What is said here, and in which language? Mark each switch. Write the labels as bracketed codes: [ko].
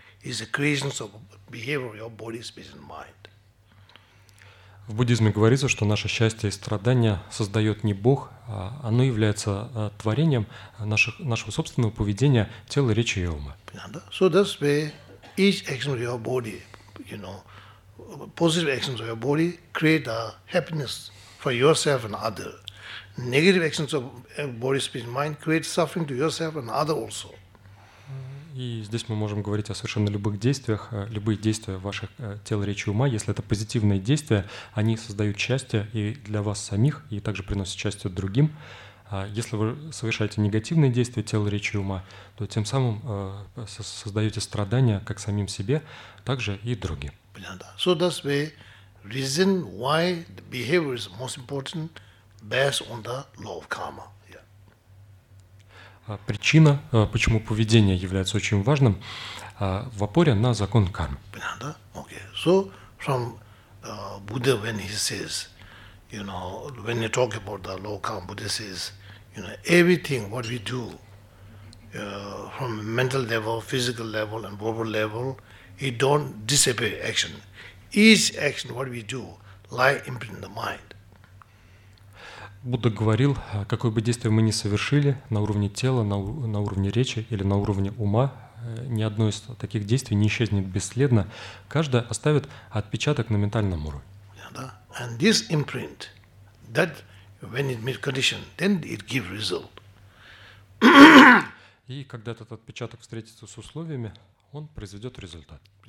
[en] It's the creation of behavior of your body, speech, and mind. [ru] В буддизме говорится, что наше счастье и страдания создает не Бог, а оно является творением нашего собственного поведения, тела, речи и ума. [en] So that's where each action of your body, you know, positive actions of your body create a happiness for yourself and others. Negative actions of body, speech, mind create suffering to yourself and other also. [ru] И здесь мы можем говорить о совершенно любых действиях, любые действия ваших тел, речи, ума. Если это позитивные действия, они создают счастье и для вас самих, и также приносят счастье другим. Если вы совершаете негативные действия тела, речи, ума, то тем самым создаете страдания как самим себе, так же и другим. [en] So that's the reason why the behavior is most important. Based on the law of karma. Yeah. [ru] Причина, почему поведение является очень важным, в опоре на закон кармы. [en] Okay. So from Buddha, when he says, you know, when you talk about the law of karma, Buddha says, you know, everything what we do, from mental level, physical level, and verbal level, it don't disappear action. Each action what we do lie imprint in the mind. [ru] Будда говорил, какое бы действие мы ни совершили на уровне тела, на уровне речи или на уровне ума, ни одно из таких действий не исчезнет бесследно. Каждое оставит отпечаток на ментальном уровне. [en] And this imprint, that when it meets condition, then it gives result. [ru] И когда этот отпечаток встретится с условиями, он произведет результат.